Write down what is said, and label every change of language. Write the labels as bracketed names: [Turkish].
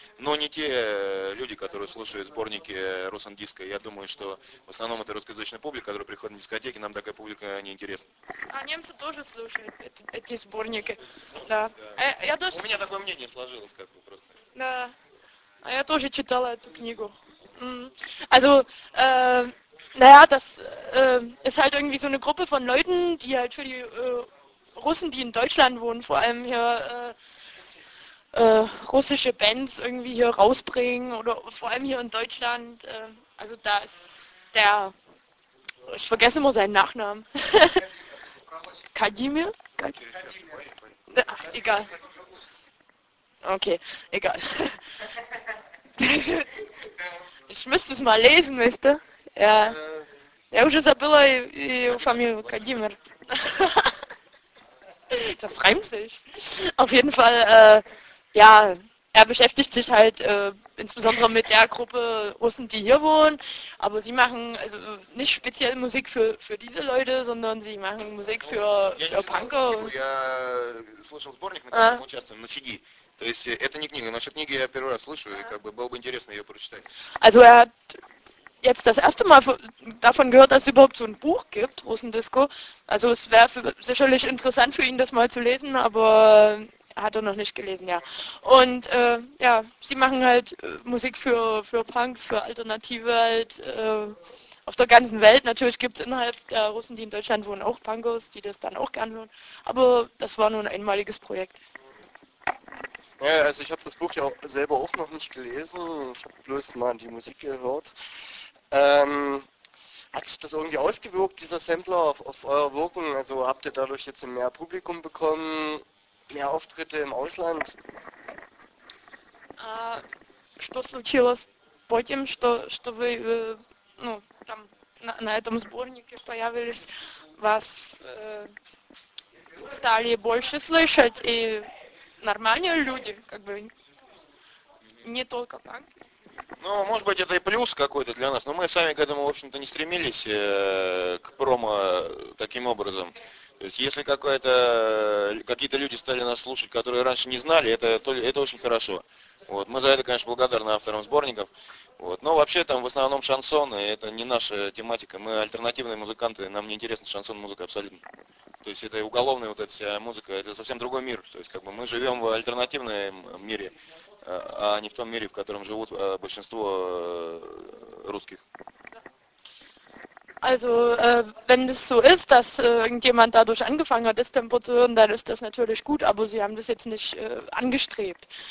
[Russian] Но не те люди, которые слушают сборники Russendisco. Я думаю, что в основном это русскоязычная публика, которая приходит на дискотеки, нам такая публика неинтересна. А немцы тоже слушают эти сборники. Слушают, да. Я тоже... У меня такое мнение сложилось, как бы просто. Да. А я тоже читала эту книгу. [German] Also, naja, das ist halt irgendwie so eine Gruppe von Leuten, die halt für die Russen, die in Deutschland wohnen, vor allem hier russische Bands irgendwie hier rausbringen oder vor allem hier in Deutschland. Also da ist der, ich vergesse immer seinen Nachnamen. [Russian] Академия? Как? [German] Да, egal. Okay, egal. Ich müsste es mal lesen, weißt du? Ja. [Russian] Я уже забыла его фамилию, Кадимир. [German] Das reimt sich. Auf jeden Fall, ja, er beschäftigt sich halt insbesondere mit der Gruppe Russen, die hier wohnen. Aber sie machen also nicht speziell Musik für diese Leute, sondern sie machen Musik für Punker. [Russian] Я слышал сборник, на котором участвуем, на CD. То есть это не книга. Наша книга я первый раз слышу, и как бы было бы интересно ее прочитать. [German] Also er hat jetzt das erste Mal davon gehört, dass es überhaupt so ein Buch gibt, Russendisco. Also es wäre sicherlich interessant für ihn, das mal zu lesen, aber hat er noch nicht gelesen, ja. Und ja, sie machen halt Musik für Punks, für Alternative halt auf der ganzen Welt. Natürlich gibt es innerhalb der Russen, die in Deutschland wohnen, auch Punkers, die das dann auch gern hören. Aber das war nur ein einmaliges Projekt. Ja, also ich habe das Buch ja auch selber auch noch nicht gelesen, ich habe bloß mal die Musik gehört. Hat sich das irgendwie ausgewirkt, dieser Sampler, auf euer Wirken? Also habt ihr dadurch jetzt mehr Publikum bekommen, mehr Auftritte im Ausland? [Russian] Что случилось потом, что вы, ну, там, на этом сборнике появились, вас стали больше слышать и... Нормальные люди, как бы, не только так. Ну, может быть, это и плюс какой-то для нас, но мы сами к этому, в общем-то, не стремились, к промо таким образом. То есть, если какие-то люди стали нас слушать, которые раньше не знали, это очень хорошо. Вот, мы за это, конечно, благодарны авторам сборников. Вот, но вообще там в основном шансон, и это не наша тематика. Мы альтернативные музыканты, нам не интересна шансон-музыка абсолютно. То есть это уголовная вот эта вся музыка, это совсем другой мир. То есть как бы мы живем в альтернативном мире, а не в том мире, в котором живут большинство русских. [German] Also, wenn es so ist, dass irgendjemand dadurch angefangen hat, das Tempo zu hören, dann ist das natürlich gut, aber sie haben das jetzt nicht angestrebt.